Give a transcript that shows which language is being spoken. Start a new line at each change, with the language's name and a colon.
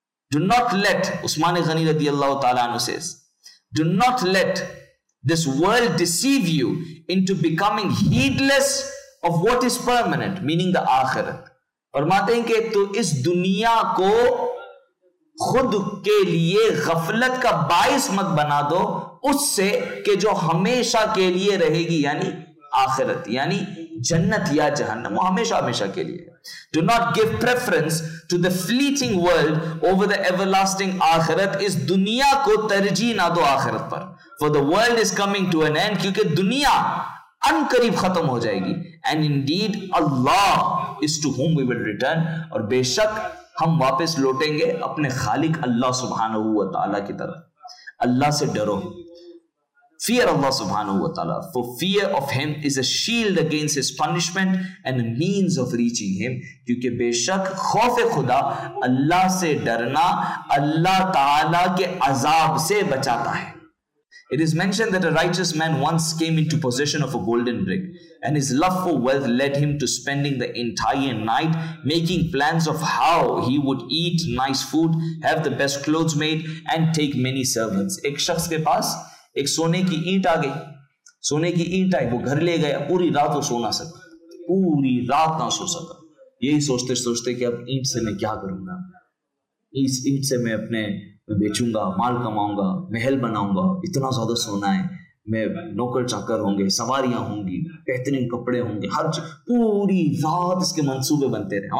English: Do not let، Usman Ghani رضی اللہ تعالیٰ عنہ says، Do not let this world deceive you into becoming heedless of what is permanent، meaning the Akhirat.
Urdu: فرماتے ہیں کہ تو اس دنیا کو خود کے لیے غفلت کا باعث مت بنا دو اس سے کہ جو ہمیشہ کے لیے رہے گی, یعنی آخرت, یعنی جنت یا جہنم, وہ ہمیشہ ہمیشہ کے لیے.
English: Do not give preference to the fleeting world over the everlasting Akhirat,
Urdu: اس دنیا کو ترجیح نہ دو آخرت پر.
English: For the world is coming to an end,
Urdu: کیونکہ دنیا ان قریب ختم ہو جائے گی.
English: And indeed Allah is to whom we will return,
Urdu: اور بے شک ہم واپس لوٹیں گے اپنے خالق اللہ سبحانہ و تعالیٰ کی طرف. اللہ سے ڈرو,
English: fear Allah subhanahu wa ta'ala, for fear of him is a shield against his punishment and a means of reaching him.
Urdu: کیونکہ بے شک خوف خدا اللہ سے ڈرنا اللہ تعالیٰ کے عذاب سے بچاتا ہے.
English: It is mentioned that a righteous man once came into possession of a golden brick, and his love for wealth led him to spending the entire night making plans of how he would eat nice food, have the best clothes made, and take many servants.
Urdu: ایک شخص کے پاس ایک سونے کی اینٹ آ گئی, سونے کی اینٹ آئی, وہ گھر لے گیا, پوری رات وہ سو نہ سکا, پوری رات نہ سو سکا, یہی سوچتے سوچتے کہ اب اینٹ سے میں کیا کروں گا, اس اینٹ سے میں اپنے بیچوں گا, مال کماؤں گا, محل بناؤں گا, اتنا زیادہ سونا ہے, میں نوکر چاکر ہوں گے, سواریاں ہوں گی, بہترین کپڑے ہوں گے, ہر پوری رات اس کے منصوبے بنتے رہے.